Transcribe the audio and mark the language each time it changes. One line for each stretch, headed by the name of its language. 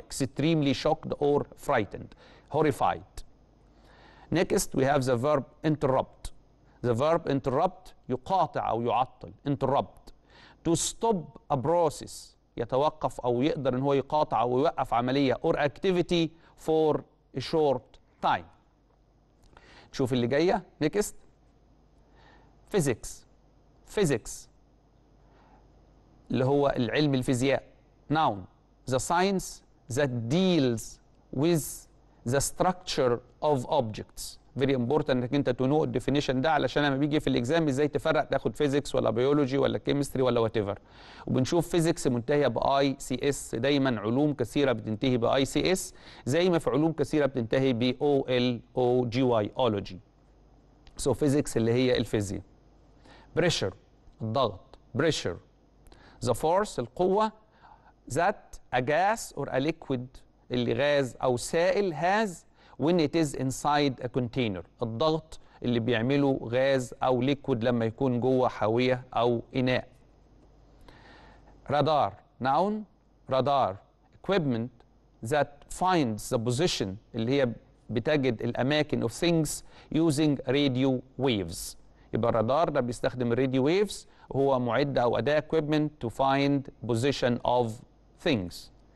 English: Extremely shocked or frightened. Horrified. Next we have the verb interrupt. The verb interrupt,
Arabic: يقاطع أو يعطل.
English: Interrupt. To stop a process,
Arabic: يتوقف أو يقدر أن هو يقاطع أو يوقف عملية
English: or activity for a short time.
Arabic: تشوف اللي جايه نيكست. فيزيكس اللي هو العلم الفيزياء noun.
English: The science that deals with the structure of objects. Very important
Arabic: انك انت تنو الديفينيشن ده علشان لما بيجي في الاكزام ازاي تفرق تاخد فيزيكس ولا بيولوجي ولا كيمستري ولا whatever. وبنشوف فيزيكس منتهيه باي سي اس دايما. علوم كثيره بتنتهي باي سي اس زي ما في علوم كثيره بتنتهي ب او ال او جي واي اولوجي. سو فيزيكس اللي هي الفيزياء. بريشر الضغط.
English: Pressure the force القوة. that a gas or a liquid
Arabic: اللي غاز أو سائل
English: has when it is inside a container.
Arabic: الضغط اللي بيعمله غاز أو liquid لما يكون جوه حاوية أو إناء. رادار noun.
English: radar equipment that finds the position
Arabic: اللي هي بتجد الأماكن
English: of things using radio waves.
Arabic: يبقى الرادار ده بيستخدم radio waves هو معدة أو أداة
English: equipment to find position of things.